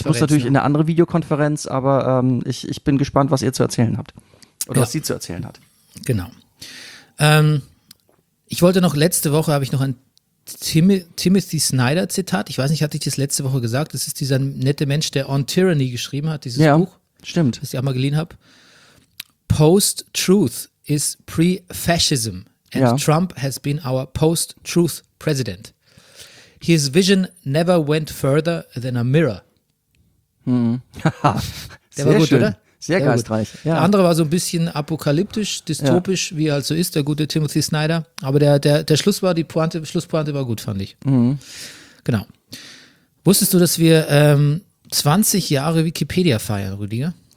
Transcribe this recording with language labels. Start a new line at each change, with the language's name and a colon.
German: Ich muss natürlich in eine andere Videokonferenz, aber ich bin gespannt, was ihr zu erzählen habt. Oder was sie zu erzählen hat. Genau. Ich wollte noch, letzte Woche habe ich noch ein Timothy Snyder Zitat. Ich weiß nicht, hatte ich das letzte Woche gesagt? Das ist dieser nette Mensch, der On Tyranny geschrieben hat, dieses Buch. Stimmt. Das ich auch mal geliehen habe.
English: Post-Truth ist pre-fascism and Trump has been our post-truth president. His vision never went further than a mirror.
German: Der war gut, schön. Oder? Sehr geistreich. Ja. Der andere war so ein bisschen apokalyptisch, dystopisch, wie er halt so ist, der gute Timothy Snyder. Aber der Schluss war, Schlusspointe war gut, fand ich. Mhm. Genau. Wusstest du, dass wir 20 Jahre Wikipedia feiern, Rüdiger?